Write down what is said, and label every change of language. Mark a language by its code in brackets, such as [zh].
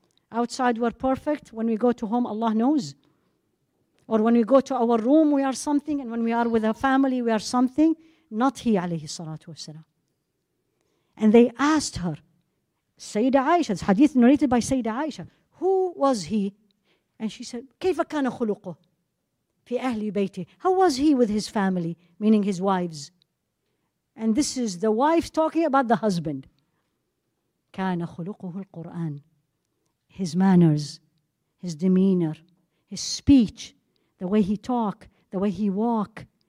[en] Outside we're perfect, when we go to home, Allah knows. Or when we go to our room, we are something, and when we are with our family, we are something. Not he, alayhi salatu wasalam. And they asked her, Sayyida Aisha, this hadith narrated by Sayyida Aisha, who was he? And she said, [ar] كيف كان خلقه في أهل بيته? [en] How was he with his family, meaning his wives? And this is the wife talking about the husband. [ar] كان خلقه القرآن. [en] His manners, his demeanor, his speech, the way he talk, the way he walk.